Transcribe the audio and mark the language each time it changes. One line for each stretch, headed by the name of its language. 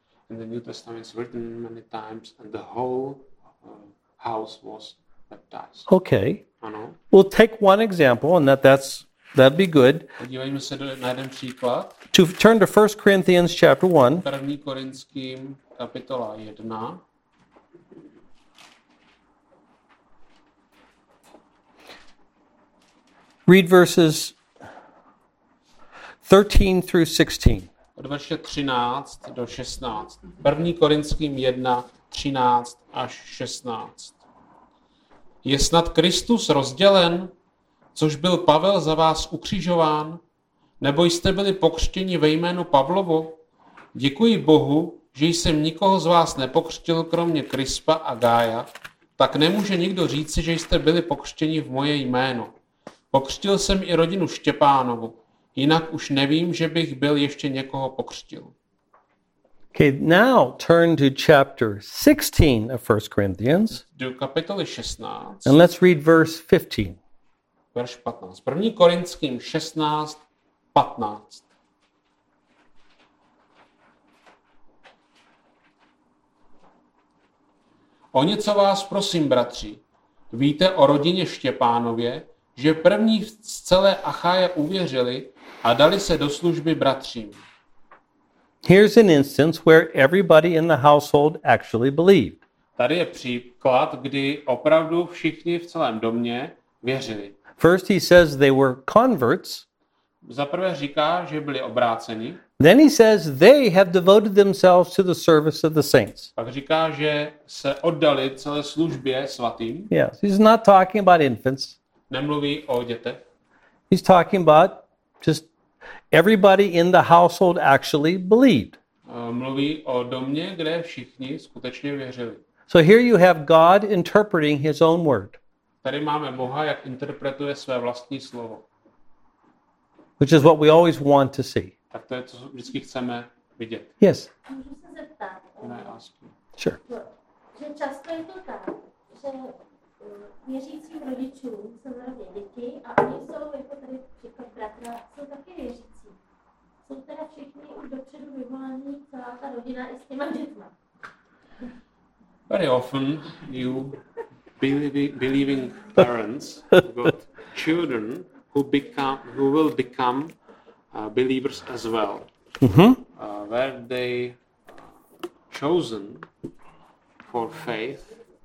English: In the New Testament it's written many times and the whole house was baptized. Okay.
Czech: Ano.
English: We'll take one example and that'd be good.
Czech: Podívejme se na jeden příklad.
English: To turn to 1 Corinthians chapter 1.
Czech: 1. Korinským kapitola 1.
English: Read verses 13 through 16.
Czech: Od verše 13 do 16. 1. Korinským 1. 13 až 16. Je snad Kristus rozdělen, což byl Pavel za vás ukřižován, nebo jste byli pokřtěni ve jménu Pavlovo? Děkuji Bohu, že jsem nikoho z vás nepokřtil, kromě Krispa a Gája, tak nemůže nikdo říci, že jste byli pokřtěni v moje jméno. Pokřtil jsem i rodinu Štěpánovu, jinak už nevím, že bych byl ještě někoho pokřtil.
English: Okay, now turn to chapter 16 of 1 Corinthians.
Czech: Do kapitoly 16.
English: And let's read verse 15.
Czech: Verš 15. 1. Korinským 16, 15. O něco vás prosím, bratři. Víte o rodině Štěpánově, že první z celé Achaje uvěřili a dali se do služby bratřím.
English: Here's an instance where everybody in the household actually believed.
Czech: Tady je příklad, kdy opravdu všichni v celém domě věřili.
English: First he says they were converts.
Czech: Zaprvé říká, že byli obráceni.
English: Then he says they have devoted themselves to the service of the saints.
Czech: Pak říká, že se oddali celé službě svatým.
English: Yes, he's not talking about infants.
Czech: Nemluví o dětech.
English: He's talking about just everybody in the household actually believed.
Czech: Mluví o domě, kde všichni skutečně věřili.
English: So here you have God interpreting his own word.
Czech: Tady máme Boha, jak interpretuje své vlastní slovo.
English: Which is what we always want to see.
Czech: Tak to je, co vždycky chceme vidět.
English: Yes.
Czech: Můžu se zeptat?
English: Can I ask you? Sure.
Czech: Že často je to tak, že věřícím rodičům, jsou zrovna děti a oni jsou, jako tady příklad bratra, jsou taky věřící. Jsou teda všichni už dopředu vyvolaní, celá ta rodina i s těma dětma.
English: Very often you believing parents have got children who will become believers as well. Were they chosen for faith?